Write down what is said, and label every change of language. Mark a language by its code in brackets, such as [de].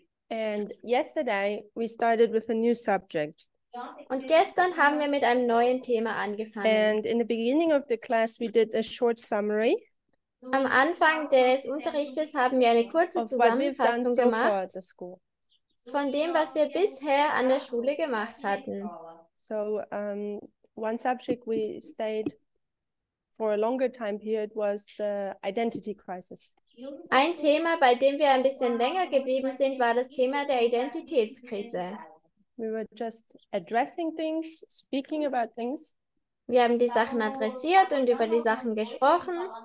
[en] And yesterday we started with a new subject. [de] Und gestern haben wir mit einem neuen Thema angefangen. [en] And in the beginning of the class we did a short summary. [de] Am Anfang des Unterrichts haben wir eine kurze [en] Of what we've done [de] Zusammenfassung [en] so [de] gemacht [en] far at the school. [de] von dem, was wir bisher an der Schule gemacht hatten. [en] So one subject we stayed for a longer time period was the identity crisis. [de] Ein Thema, bei dem wir ein bisschen länger geblieben sind, war das Thema der Identitätskrise. [en] We were just addressing things, speaking about things. [de] Wir haben die Sachen adressiert und über die Sachen gesprochen.